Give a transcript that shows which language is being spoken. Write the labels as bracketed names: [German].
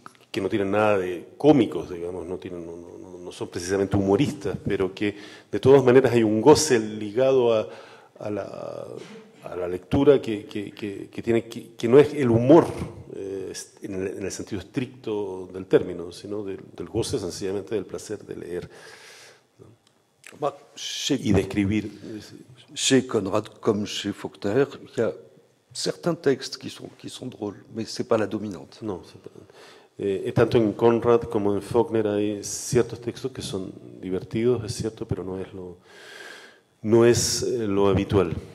[Spanish] que no tienen nada de cómicos, digamos, no tienen no son precisamente humoristas, pero que de todas maneras hay un goce ligado a la lectura que no es el humor en el sentido estricto del término, sino del goce sencillamente del placer de leer, ¿no? Y de escribir. [French] Chez Conrad comme chez Faulkner, il y a certains textes qui sont drôles, mais c'est pas la dominante. Non, c'est pas. [Spanish] Y tanto en Conrad como en Faulkner hay ciertos textos que son divertidos, es cierto, pero no es lo habitual.